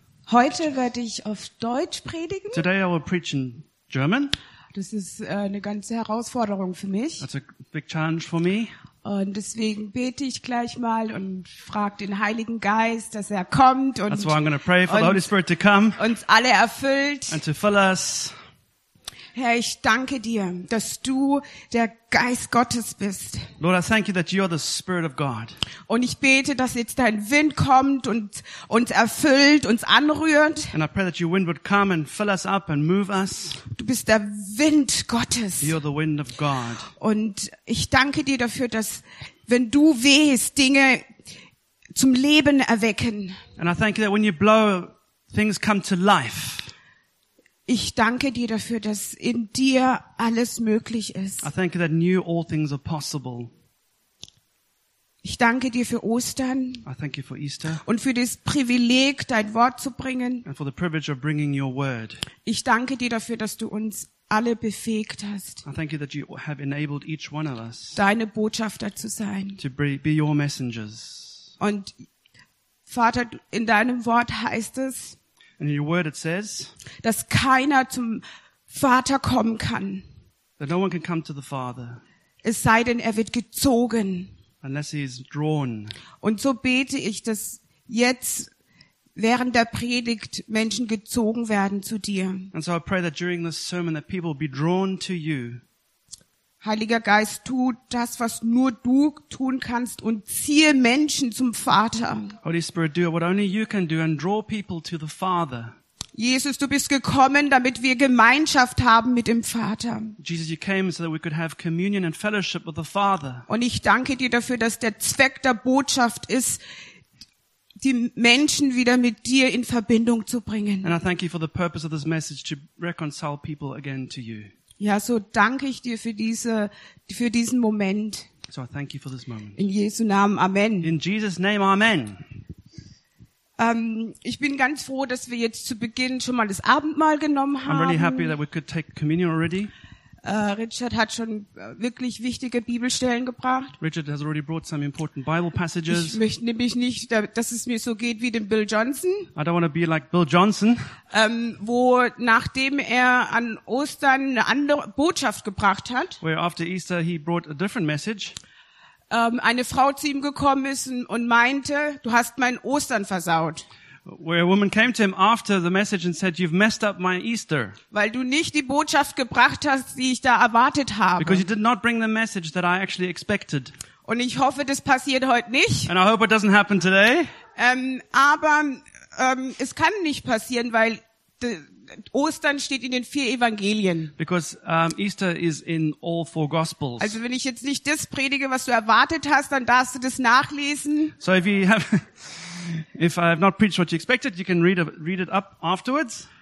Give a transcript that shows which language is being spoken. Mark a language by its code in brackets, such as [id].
[de] Heute werde ich auf Deutsch predigen. [en] Today I will preach in German. [de] Das ist eine ganze Herausforderung für mich. [en] That's a big challenge for me. [de] Und deswegen bete ich gleich mal und frage den Heiligen Geist, dass er kommt und [en] that's why I'm going to pray for the Holy Spirit to come. [de] Uns alle erfüllt. [en] And to fill us. [de] Herr, ich danke dir, dass du der Geist Gottes bist. [en] Lord, I thank you that you are the Spirit of God. [de] Und ich bete, dass jetzt dein Wind kommt und uns erfüllt, uns anrührt. [en] And I pray that your wind would come and fill us up and move us. [de] Du bist der Wind Gottes. [en] You're the wind of God. [de] Und ich danke dir dafür, dass wenn du wehst, Dinge zum Leben erwecken. [en] And I thank you that when you blow, things come to life. [de] Ich danke dir dafür, dass in dir alles möglich ist. [en] I thank you that in you all things are possible. [de] Ich danke dir für Ostern. [en] I thank you for Easter. [de] Und für das Privileg, dein Wort zu bringen. [en] And for the privilege of bringing your word. [de] Ich danke dir dafür, dass du uns alle befähigt hast. [en] I thank you that you have enabled each one of us. [de] Deine Botschafter zu sein. [en] To be your messengers. [de] Und Vater, in deinem Wort heißt es, [en] in your word it says, [de] dass keiner zum Vater kommen kann. [en] That no one can come to the Father. [de] Es sei denn, er wird gezogen. [en] Unless he is drawn. [de] Und so bete ich, dass jetzt während der Predigt Menschen gezogen werden zu dir. [en] And so I pray that during this sermon that people will be drawn to you. [de] Heiliger Geist, tu das, was nur du tun kannst und ziehe Menschen zum Vater. [en] Holy Spirit, do what only you can do and draw people to the Father. [de] Jesus, du bist gekommen, damit wir Gemeinschaft haben mit dem Vater. [en] Jesus, you came so that we could have communion and fellowship with the Father. [de] Und ich danke dir dafür, dass der Zweck der Botschaft ist, die Menschen wieder mit dir in Verbindung zu bringen. [en] And I thank you for the purpose of this message to reconcile people again to you. [de] Ja, so danke ich dir für diesen Moment. [en] So I thank you for this moment. [de] In Jesu Namen, Amen. [en] In Jesus' name, Amen. [de] Ich bin ganz froh, dass wir jetzt zu Beginn schon mal das Abendmahl genommen haben. [en] I'm really happy that we could take communion already. [de] Richard hat schon wirklich wichtige Bibelstellen gebracht. [en] Richard has already brought some important Bible passages. [de] Ich möchte nämlich nicht, dass es mir so geht wie dem Bill Johnson. [en] I don't want to be like Bill Johnson. [de] Wo nachdem er an Ostern eine andere Botschaft gebracht hat. [en] Where after Easter he brought a different message. [de] Eine Frau zu ihm gekommen ist und meinte, du hast mein Ostern versaut. [en] Where a woman came to him after the message and said, "You've messed up my Easter." [de] Weil du nicht die Botschaft gebracht hast, die ich da erwartet habe. [en] Because you did not bring the message that I actually expected. [de] Und ich hoffe, das passiert heute nicht. [en] And I hope it doesn't happen today. [de] Aber es kann nicht passieren, weil Ostern steht in den vier Evangelien. [en] Because Easter is in all four Gospels. [de] Also wenn ich jetzt nicht das predige, was du erwartet hast, dann darfst du das nachlesen. [en] So if you have if I have not preached what you expected, you can read it up afterwards.